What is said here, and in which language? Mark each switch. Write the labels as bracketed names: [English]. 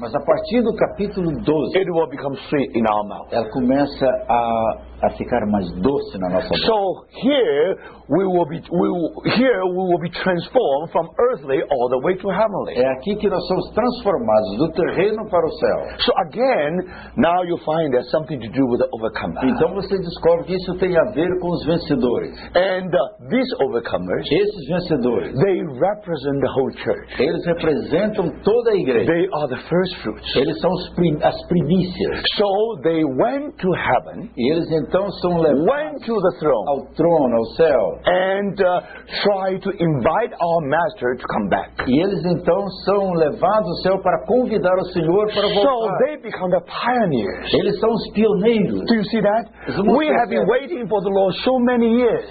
[Portuguese] mas a partir do capítulo 12, [English] it will become sweet in our mouth. [Portuguese] Ela começa a ficar mais doce na nossa boca. [English] So here we will be transformed from earthly all the way to heavenly. [Portuguese] É aqui que nós somos transformados do terreno para o céu. [English] So again, now you find there's something to do with the overcomer. [Portuguese] Então você descobre que isso tem a ver com os vencedores. [English] And these overcomers, [Portuguese] esses vencedores, [English] they represent the whole church. [Portuguese] Eles representam toda a igreja. [English] They are the first fruits. [Portuguese] Eles são as primícias. [English] So they went to heaven. [Portuguese] Então são levados, [English] went to the throne, [Portuguese] ao trono, ao céu, [English] and try to invite our master to come back. [Portuguese] E eles então são levados ao céu para convidar o Senhor para voltar. [English] So they become the pioneers. [Portuguese] Eles são os pioneiros. [English] Do you see that? We have been waiting for the Lord so many years.